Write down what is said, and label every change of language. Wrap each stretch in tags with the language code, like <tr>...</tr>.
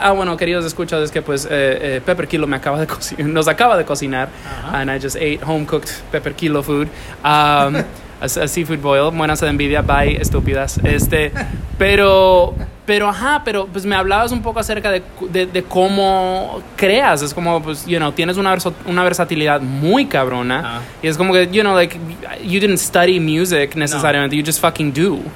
<es>Ah, bueno, queridos escuchados, es que pues Pepper Kilo nos acaba de cocinar. Uh-huh.</es> <en>And I just ate home cooked Pepper Kilo food. a seafood boil.</en> <es>Buenas de envidia. Bye, estúpidas. Pero pues me hablabas un poco acerca de cómo creas. Es como, pues, you know, tienes una versatilidad muy cabrona. Y es como que,</es> <en>you know, like, you didn't study music necesariamente. No. You just fucking do.</en>